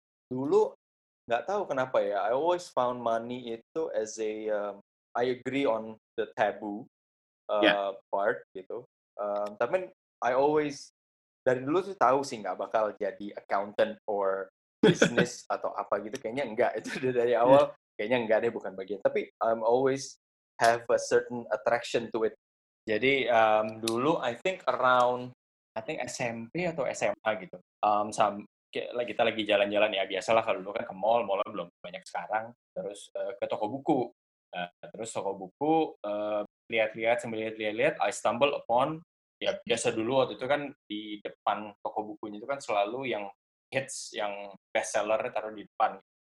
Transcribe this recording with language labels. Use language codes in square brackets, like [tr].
[id] Dulu nggak tahu kenapa ya, [en] I always found money itu as a I agree on the taboo part gitu. [id] Tapi [en] I always [id] dari dulu sih tahu sih nggak bakal jadi accountant or business atau apa gitu. Kayaknya enggak, itu dari awal kayaknya enggak deh, bukan bagian. [en] Tapi I'm always have a certain attraction to it. [id] Jadi dulu [en] I think [id] SMP atau SMA gitu. Kita lagi jalan-jalan ya, biasalah kalau dulu kan ke mall, mallnya belum banyak sekarang. Terus ke toko buku. Terus toko buku, lihat-lihat, [en] I stumble upon, [id] ya biasa dulu waktu itu kan di depan toko bukunya itu kan selalu yang hits, yang bestseller taruh di depan.